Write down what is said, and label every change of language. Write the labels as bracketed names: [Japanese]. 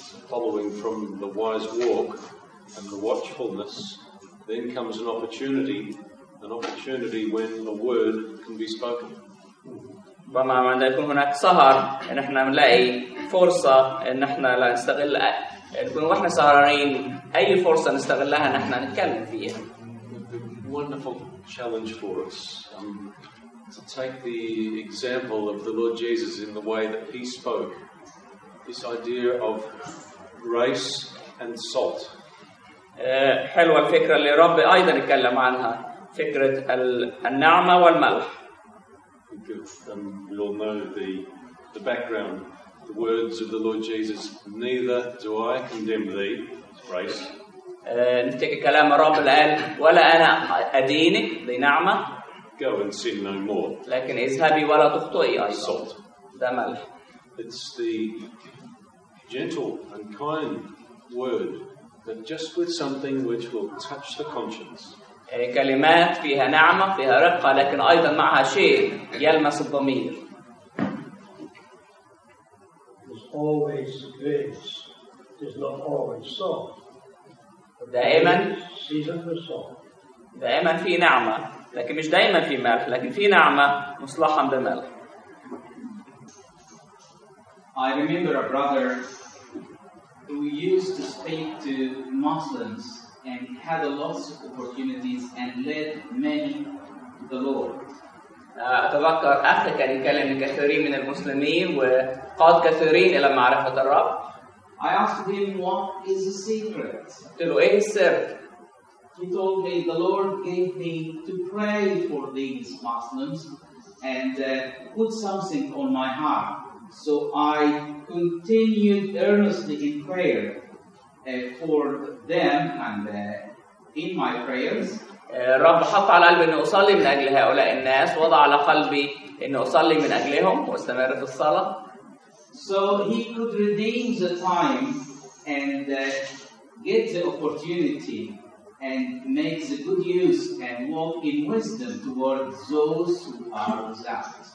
[English] Following from the wise walk and the watchfulness, then comes an opportunity when a word can be spoken. [Arabic] بما معنى يكون هناك سهر إن إحنا نلاقي فرصة إن إحنا لا نستغل نكون وإحنا سهرانين أي فرصة نستغلها إن إحنا نتكلم فيها. [English] Wonderful challenge for us. To take the example of the Lord Jesus in the way that he spoke, this idea of grace and salt. [Arabic] حلوة الفكرة اللي ربي أيضا اتكلم عنها فكرة النعمة والملح. [English] We all know the background, the words of the Lord Jesus, neither do I condemn thee, it's grace. [Arabic] نفتكر كلام الرب قال ولا أنا أدينك ذي نعمة. [English] Go and sin no more. [Arabic] لكن اذهبي ولا تخطئي أيضا. [English] Salt. [Arabic] ده ملح. [English] It's the gentle and kind word, but just with something which will touch the conscience. [Arabic] كلمات فيها نعمة فيها رقة لكن أيضا معها شيء يلمس الضمير. [English] It's always grace. It's not always salt. [Arabic] دائما. [English] Season for salt. [Arabic] دائما في نعمة. لكن مش دائما في ملح لكن في نعمه مصلحه بملح. [English] I remember a brother who used to speak to Muslims and had a lot of opportunities and led many to the Lord. [Arabic] اتذكر اخي كان يكلم كثيرين من المسلمين وقاد كثيرين الى معرفه الرب. [English] I asked him what is the secret. [Arabic] قلت له ايه السر؟ [English] He told me the Lord gave me to pray for these Muslims and put something on my heart. So I continued earnestly in prayer for them and in my prayers. [Arabic] رب حط على قلبي أن أصلي من أجل هؤلاء الناس وضع على قلبي أن أصلي من أجلهم واستمر في الصلاة. [English] So he could redeem the time and get the opportunity. And make the good use and walk in wisdom toward those who are without.